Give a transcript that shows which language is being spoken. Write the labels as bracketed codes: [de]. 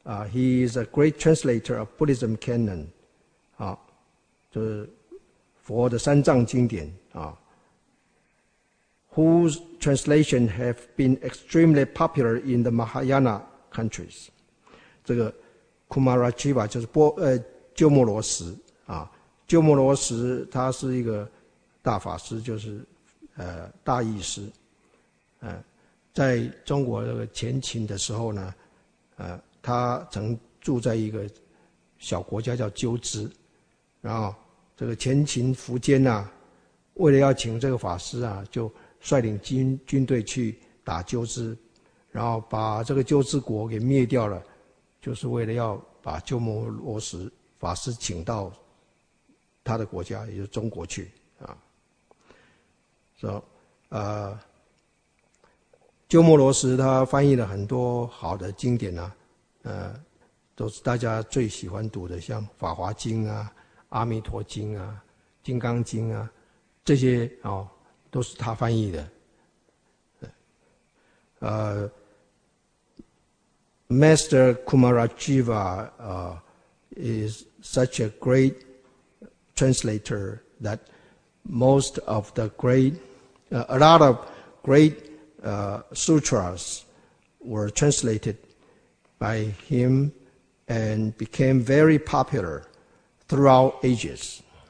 [en] He is a great translator of Buddhism canon, [zh] 就是佛的三藏经典, [en] whose translation have been extremely popular in the Mahayana countries. [zh] 这个 Kumarajiva 就是鸠摩罗什啊。鸠摩罗什他是一个大法师，就是大义师，在中国这个前秦的时候呢，他曾住在一个小国家叫鸠兹，然后这个前秦苻坚呢，为了要请这个法师啊，就率领军队去打鸠兹，然后把这个鸠兹国给灭掉了，就是为了要把鸠摩罗什法师请到他的国家，也就是中国去啊。说，鸠摩罗什他翻译了很多好的经典啊，都是大家最喜欢读的，像《法华经》啊、《阿弥陀经》啊、《金刚经》啊，这些啊、都是他翻译的。 [en] Master Kumarajiva is such a great translator that most of the great, a lot of great sutras were translated by him and became very popular throughout ages.